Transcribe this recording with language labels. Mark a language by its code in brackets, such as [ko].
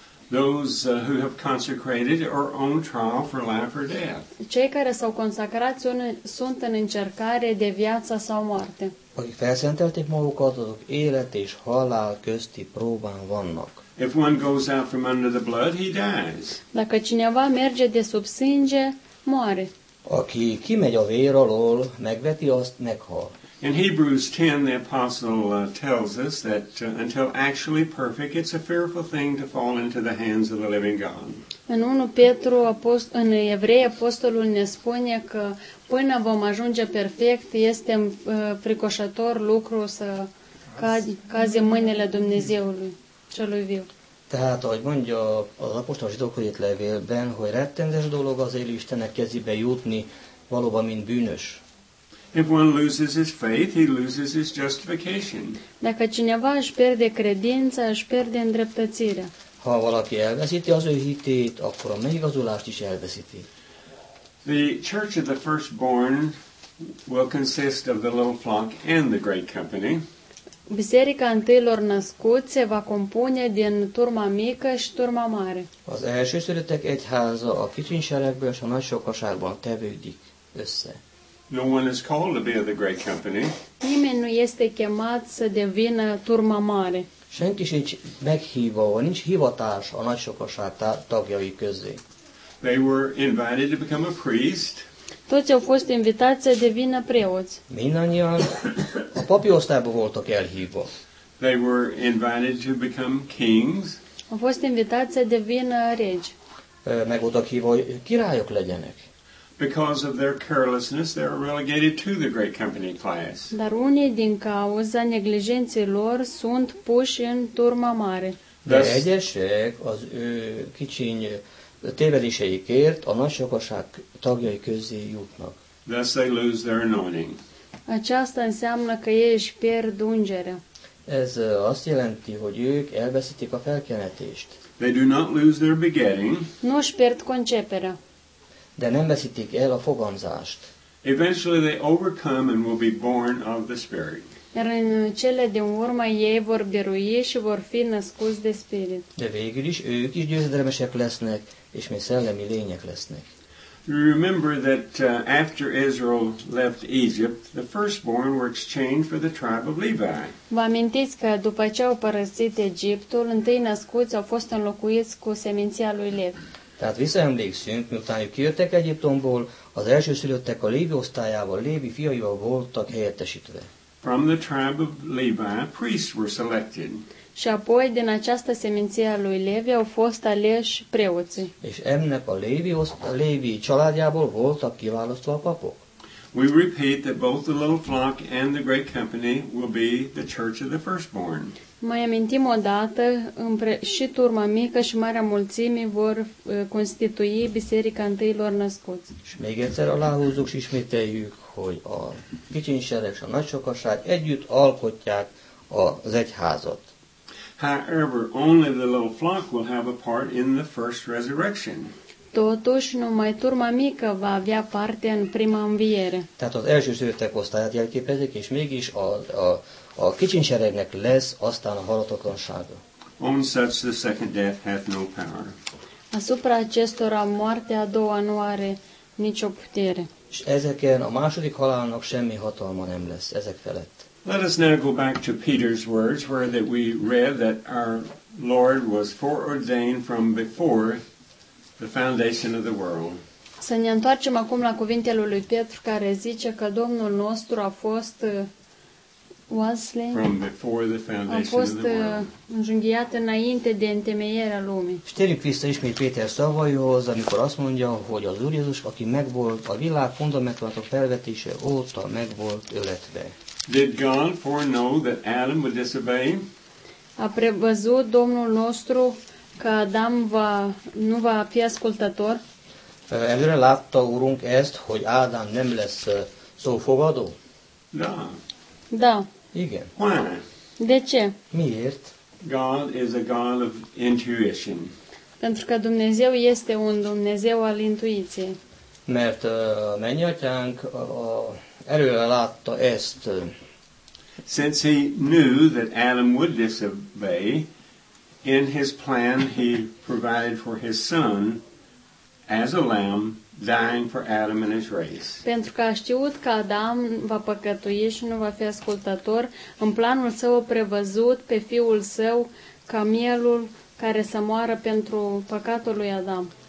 [en] Those who have consecrated are on trial for life or death. [ro] Cei care s-au consacrat sunt în încercare de viață sau moarte. [hu] Akik felszentelték magukat, azok élet és halál közti próbán vannak. [en] If one goes out from under the blood, he dies. [ro] Dacă cineva merge de sub sânge, moare. [hu] Aki kimegy a vér alól, megveti azt, meghal. [en] In Hebrews 10, the apostle tells us that until actually perfect, it's a fearful thing to fall into the hands of the living God. [ro] În 1 Petru, în Evrei, apostolul ne spune că până vom ajunge perfect, este fricoșător lucru să cazi în mâinile Dumnezeului celui viu. [hu] Tehát, ahogy mondja az apostol zsidókhoz írt levélben, hogy rettenetes dolog az élő Istennek kezébe jutni, valóban mint bűnös. [en] If one loses his faith, he loses his justification. [ro] Dacă cineva își pierde credința, își pierde îndreptățirea. [hu] Ha valaki elveszíti az ő hitét, akkor a megigazulást is elveszíti. [en] The church of the firstborn will consist of the little flock and the great company. [ro] Biserica întâilor născuți se va compune din turma mică și turma mare. [hu] Az elsőszülöttek egyháza a kicsiny seregből és a nagy sokaságban tevődik össze. [en] No one is called to be of the great company. [ro] Nimeni nu este chemat să devină turma mare. [hu] Senki sincs meghívva, nincs hivatás a nagy sokaság tagjai közé. [en] They were invited to become a priest. [ro] Toți au fost invitați să devină preoți. [hu] Mindannyian a papi osztályba voltak elhívva. [en] They were invited to become kings. [ro] Au fost invitați să devină regi. [hu] Meg voltak hívva, hogy királyok legyenek. [en] Because of their carelessness, they are relegated to the great company class. [ro] Dar unii din cauza neglijenței lor sunt puși în turma mare. [hu] De egyesek az ő kicsiny tévedéseikért a nagy sokaság tagjai közé jutnak. [en] Thus they lose their anointing. [ro] Aceasta înseamnă că ei își pierd ungerea. [hu] Ez azt jelenti, hogy ők elveszítik a felkenetést. [en] They do not lose their begetting. [ro] Nu își pierd conceperea. [hu] De nem veszítik el a fogamzást. [en] Eventually they overcome and will be born of the Spirit. [ro] Iar în cele din urmă ei vor birui și vor fi născuți de Spirit. [hu] De végül is ők is győzedelmesek lesznek, és mi szellemi lények lesznek. [en] You remember that after Israel left Egypt, the firstborn were exchanged for the tribe of Levi. [ro] Vă amintiți că după ce au părăsit Egiptul, întâi născuți au fost înlocuiți cu seminția lui Levi. [hu] Tehát visszaemlékszünk, miután ők kijöttek Egyiptomból, az elsőszülöttek a Lévi osztályával, Lévi fiaival voltak helyettesítve. [en] From the tribe of Levi, priests were selected. [ro] Și apoi, din această seminție a lui Levi, au fost aleși preoții. [hu] És ennek a Lévi családjából voltak kiválasztva a papok. [en] We repeat that both the little flock and the great company will be the church of the firstborn. [ro] Mai amintim o dată, și turma mică și marea mulțime vor constitui biserica întâilor născuți. [hu] Și még egyszer aláhúzzuk [ro] și [hu] ismételjük, hogy a kicsiny sereg és a nagy sokaság együtt alkotják az egyházat. [en] However, only the little flock will have a part in the first resurrection. [ro] Totuși, numai turma mică va avea parte în prima înviere. [hu] Tehát az elsőszülöttek osztályát jelképezik, és mégis a kicsinyseregnek lesz aztán a halhatatlansága. [en] On such the second death hath no power. [ro] Asupra acestora moartea a doua nu are nicio putere. [hu] És ezeken a második halálnak semmi hatalma nem lesz ezek felett. [en] Let us now go back to Peter's words where that we read that our Lord was foreordained from before the foundation of the world. [ro] Să ne întoarcem acum la cuvintele lui Petru care zice că Domnul nostru a fost [en] from before the foundation of the world. [ro] A fost înjunghiat înainte de întemeierea lumii. [hu] Térjük vissza ismét Péter szavaihoz, amikor azt mondja, hogy az Úr Jézus, aki megvolt a világ fundamentumát a felvetése óta megvolt öletve. [en] Did God foreknow that Adam would disobey? [ro] A prevăzut Domnul nostru că Adam va nu va fi ascultător? [hu] Előre látta Urunk ezt, hogy Ádám nem lesz szófogadó? [ro] Da. Da. [hu] Igen. [en] Why? [ro] De ce? [hu] Miért? [en] God is a God of intuition. [ro] Pentru că Dumnezeu este un Dumnezeu al intuiției. [hu] Mert mennyatyánk előre látta ezt. [en] Since he knew that Adam would disobey, in his plan he provided for his son as a lamb, dying for Adam and his race. [ro] Pentru că a știut că Adam va păcătui și nu va fi ascultător, în planul său a prevăzut pe fiul său ca mielul care să moară pentru păcatul lui Adam.